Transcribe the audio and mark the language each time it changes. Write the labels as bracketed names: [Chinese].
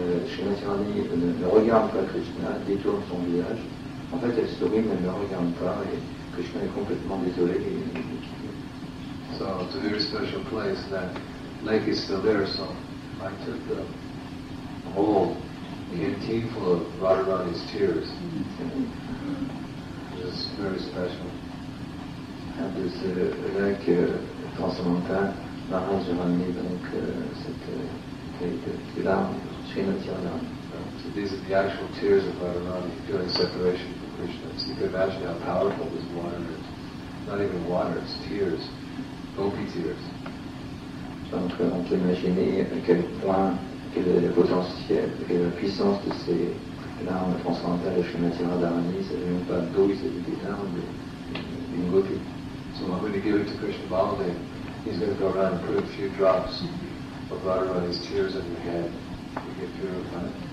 [French] Shrimati Radharani ne regarde pas Krishna, détourne son visage. En fait, elle sourit, mais elle ne regarde pas, et Krishna est complètement désolé. [English] So, it's a very special place. That lake is still there, so I took the whole canteen full of Radharani's tears. It's very special. And this lake transcendental, [French] Maharaj a ramené donc cette bouteille de larmes, Srimati Radharani. [English] So, these are the actual tears of Radharani during separation. Krishna. So you can imagine how powerful this water is. Not even water, it's tears. Gopi tears. [French] Donc on peut imaginer à quel point, quel est le potentiel, quelle est la puissance de ces larmes transcendantales de Shrimati Radharani. Ce n'est même pas d'eau, c'est des larmes d'une gopi. [English] So I'm going to give it to Krishna Baladev. He's going to go around and put a few drops of Radharani's tears on your head to get purified.